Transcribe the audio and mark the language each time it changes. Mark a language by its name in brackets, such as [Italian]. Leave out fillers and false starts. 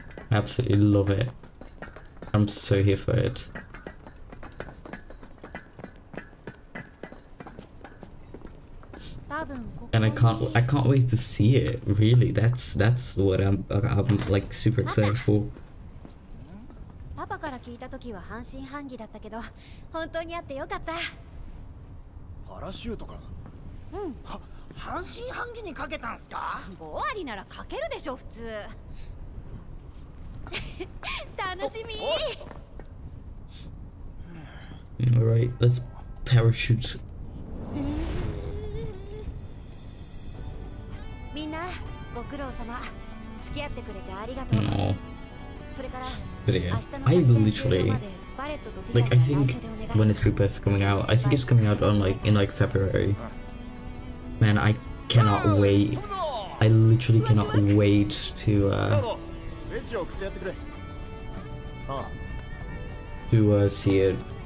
[English] Absolutely love it. I'm so here for it. And I can't wait to see it, really. That's what I'm like super excited for. [Japanese] Papa から聞いた時は半信半疑だったけど、本当にあってよかった。パラシュートか。うん。半信半疑にかけたんすか。5割ならかけるでしょ普通。楽しみ。 [English] All right, let's parachute. [Japanese] みんなご苦労様。付き合ってくれてありがとう。それから。 [English] But yeah, I literally, like, I think when is Rebirth coming out? I think it's coming out on like in like February. Man, I cannot wait I literally cannot wait to see it.